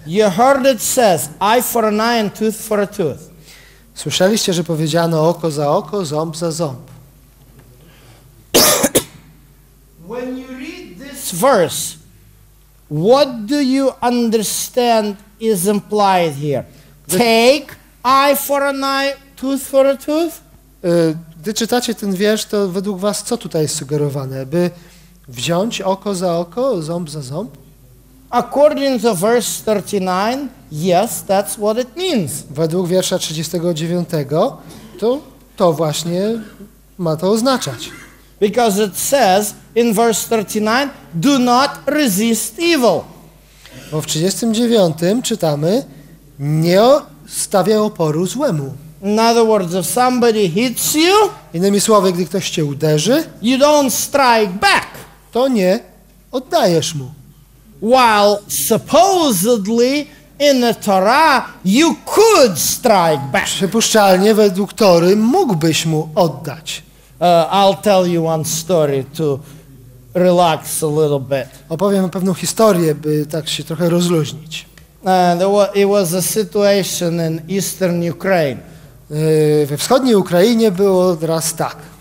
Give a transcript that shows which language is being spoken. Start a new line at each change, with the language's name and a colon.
English: You heard it says, eye for an eye and tooth for a tooth.
Polish: Słyszeliście, że powiedziano oko za oko, ząb za ząb.
English: When you read this verse, what do you understand is implied here? Take eye for an eye, tooth for a tooth?
Polish: Gdy czytacie ten wiersz, to według was co tutaj jest sugerowane? By wziąć oko za oko, ząb za ząb?
English: According to verse 39, yes, that's what it means.
Polish: Według wiersza 39, to właśnie ma to oznaczać.
English: Because it says in verse 39, do not resist evil.
Polish: Bo w 39 czytamy, nie stawiaj oporu złemu.
English: In other words, if somebody hits you,
Polish: innymi słowy, gdy ktoś cię uderzy,
English: you don't strike back.
Polish: To nie oddajesz mu.
English: While supposedly in the Torah you could strike back.
Polish: Przypuszczalnie według Tory mógłbyś mu oddać.
English: I'll tell you one story to relax a little bit.
Polish: Opowiem pewną historię, by tak się trochę rozluźnić.
English: It was a situation in eastern Ukraine.
Polish: We wschodniej Ukrainie było teraz tak.